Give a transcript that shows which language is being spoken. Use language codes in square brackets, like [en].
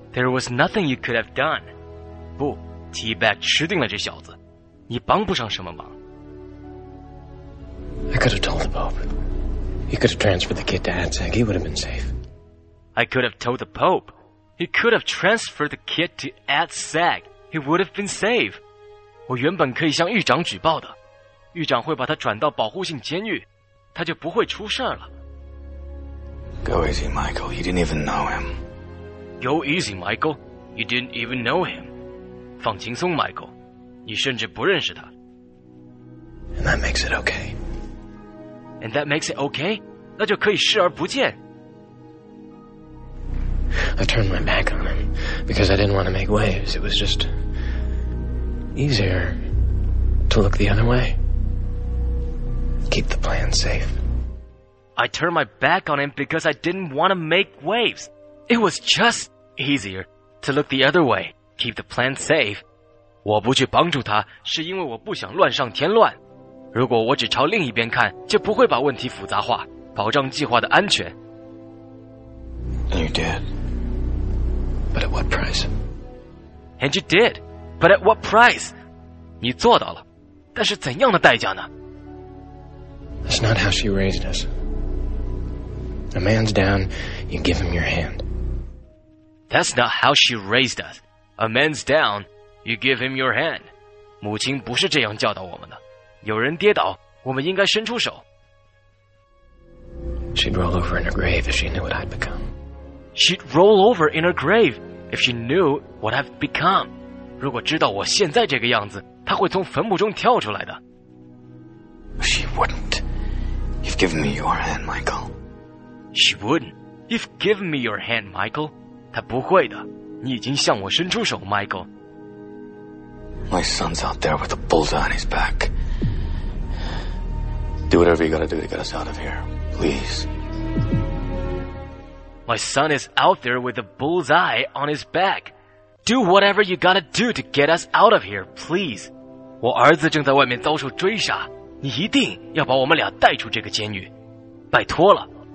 [en] There was nothing you could have done. [zh] 不， [en] T-Bag [zh] 吃定了这小子。你帮不上什么忙。 [en] I could have told the Pope. He could have transferred the kid to ADSEC. He would have been safe. I could have told the Pope. He could have transferred the kid to ADSEC. He would have been safe. [zh] 我原本可以向狱长举报的，狱长会把他转到保护性监狱，他就不会出事了。 [en] Go easy, Michael. You didn't even know him. Go easy, Michael. You didn't even know him. [zh] 放轻松 [en] ，Michael. [zh] 你甚至不认识他。 [en] And that makes it okay. And that makes it okay. [zh] 那就可以视而不见。 [en] I turned my back on him because I didn't want to make waves. It was just easier to look the other way. Keep the plan safe. I turned my back on him because I didn't want to make waves. It was just easier to look the other way. Keep the plan safe. [zh] 我不去帮助他是因为我不想乱上添乱。如果我只朝另一边看，就不会把问题复杂化，保障计划的安全。 [en] And you did. But at what price? And you did. But at what price? [zh] 你做到了，但是怎样的代价呢？ [en] That's not how she raised us. A man's down, you give him your hand. That's not how she raised us. A man's down, you give him your hand. [zh] 母亲不是这样教导我们的。有人跌倒，我们应该伸出手。 [en] She'd roll over in her grave if she knew what I'd become. She'd roll over in her grave. If she knew what I've become, [zh] 如果知道我现在这个样子，她会从坟墓中跳出来的。 [en] She wouldn't. You've given me your hand, Michael. She wouldn't. You've given me your hand, Michael. [zh] 她不会的。你已经向我伸出手 ，Michael. [en] My son's out there with a bullseye on his back. Do whatever you gotta do to get us out of here, please. My son is out there with a bullseye on his back. Do whatever you gotta do to get us out of here, please. [zh] 我儿子正在外面遭受追杀，你一定要把我们俩带出这个监狱，拜托了。